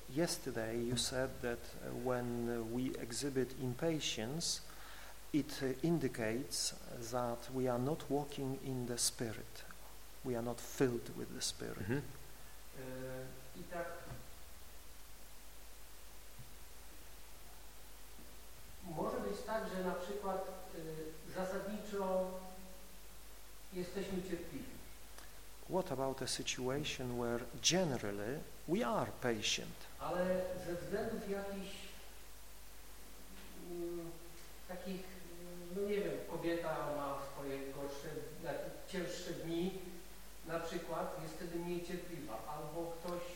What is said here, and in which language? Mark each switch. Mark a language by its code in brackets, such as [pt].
[en] Yesterday you said that when we exhibit impatience, it indicates that we are not walking in the Spirit. We are not filled with the Spirit. [pl] I tak może być tak, że na przykład zasadniczo jesteśmy cierpliwi. [en] What about a situation where generally we are patient? [pl] Ale ze względów jakichś takich, no nie wiem, kobieta ma swoje gorsze, cięższe dni, na przykład jest wtedy mniej cierpliwa, albo ktoś.